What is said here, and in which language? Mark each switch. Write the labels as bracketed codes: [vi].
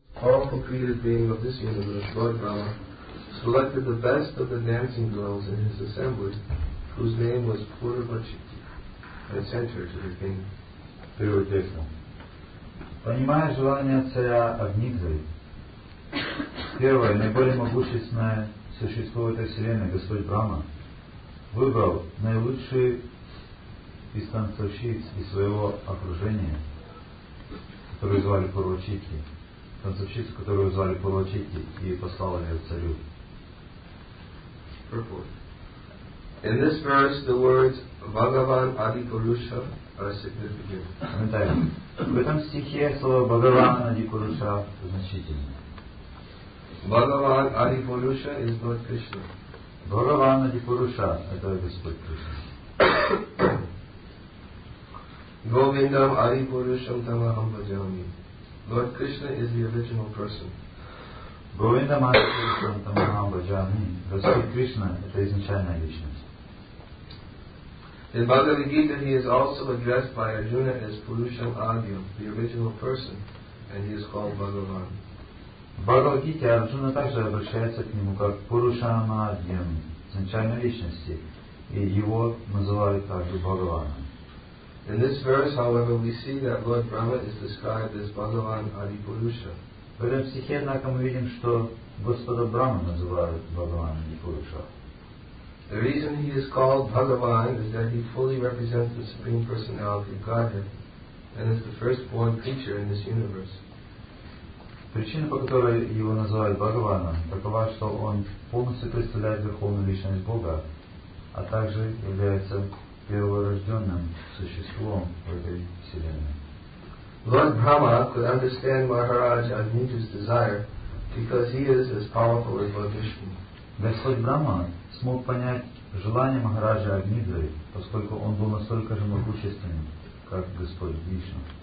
[en] powerful created being of this universe, Lord Brahma, selected the best of the dancing girls in his assembly, whose name was Purvachiti, and sent her to the king. Prioritetно. [ru] Понимая желание царя Агнидзари, первое, наиболее могущественное существо этой вселенной, Господь Брама, выбрал наилучшие из танцовщиц из своего окружения, которую звали Пурвачити, танцовщицу, которую звали Пурвачити, и послал ее царю. [en] In this verse, the words Bhagavan Adi Purusha are significant. [ru] В этом стихе слово Бхагаван Ади Пуруша значительно. [en] Бхагаван Ади Пуруша is Lord Krishna. [ru] Бхагаван Ади Пуруша это Господь Кришна. [sa] Говиндам Ади Пурушам Тамахам Баджами. [en] Lord Krishna is the original person. [sa] Говиндам Ади Пурушам Тамахам Баджами. [ru] Господь Кришна это изначальная личность. [en] In Bhagavad Gita, he is also addressed by Arjuna as Purusham Adhyam, the original person, and he is called Bhagavan. [ru] Bhagavad Gita, Arjuna также обращается к нему как Purusham Adhyam, изначальной личности, и его называют также Бхагаваном. [en] In this verse, however, we see that Lord Brahma is described as Bhagavan Adi Purusha. [ru] В этом стихе, однако, мы видим, что Господа Брама называют Бхагаван Ади Пуруша. [en] The reason he is called Bhagavan is that he fully represents the Supreme Personality of Godhead and is the firstborn creature in this universe. [ru] Причина, по которой его называют Бхагаваном, такова, что он полностью представляет Верховную Личность Бога, а также является перворожденным существом в этой вселенной. [en] Lord Brahma could understand Maharaj Agnija's desire because he is as powerful as Lord Vishnu. [ru] Господь Брама смог понять желание Махараджа Агнидры, поскольку он был настолько же могущественным, как Господь Вишну.